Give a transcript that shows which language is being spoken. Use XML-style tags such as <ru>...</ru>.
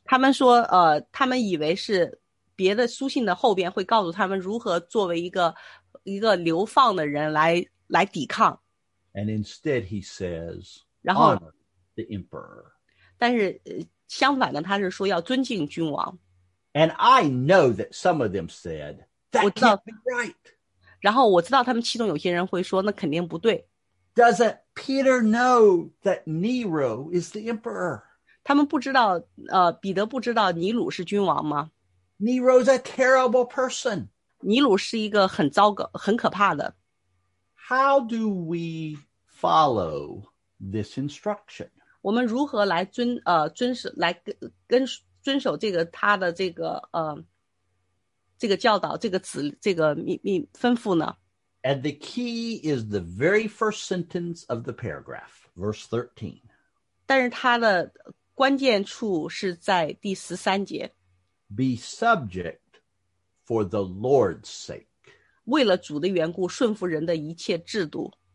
<zh>他们说，他们以为是别的书信的后边会告诉他们如何作为一个流放的人来抵抗</zh> <en>And instead, he says,</en> <zh>然后</zh> <en>honor the emperor.</en> <zh>但是相反的，他是说要尊敬君王。</zh> <en>And I know that some of them said, that can't be right.</en> <zh>然后我知道他们其中有些人会说那肯定不对。</zh> <en>Doesn't Peter know that Nero is the emperor?</en> <zh>他们不知道彼得不知道尼鲁是君王吗</zh> <en>Nero's a terrible person.</en> <zh>尼鲁是一个很糟糕很可怕的。</zh> <en>How do we follow this instruction?</en> <zh>我们如何来遵守这个他的这个教导这个指这个命吩咐呢</zh> <en>And the key is the very first sentence of the paragraph, verse 13.</en> <zh>但是他的关键处是在第十三节。</zh> <en>Be subject for the Lord's sake.</en> <zh>为了主的缘故顺服人的一切制度。</zh>